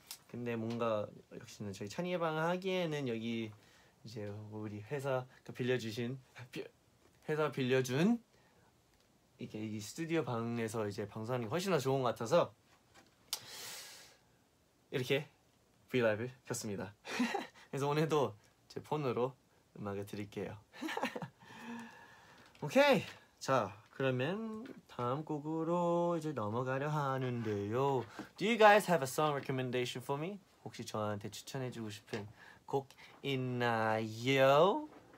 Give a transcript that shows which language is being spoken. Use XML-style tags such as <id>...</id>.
<ko>근데 뭔가 역시나 저희 찬이 예방 하기에는 여기 이제 우리 회사가 빌려주신 회사 빌려준 이게 이 스튜디오 방에서 이제 방송하는 게 훨씬 더 좋은 것 같아서 이렇게 브이라이브 켰습니다. 그래서 오늘도 제 폰으로 음악을 드릴게요. 오케이 자 그러면 다음 곡으로 이제 넘어가려 하는데요.</ko> <en>Do you guys have a song recommendation for me?</en> <ko>혹시 저한테 추천해주고 싶은 곡 있나요?</ko>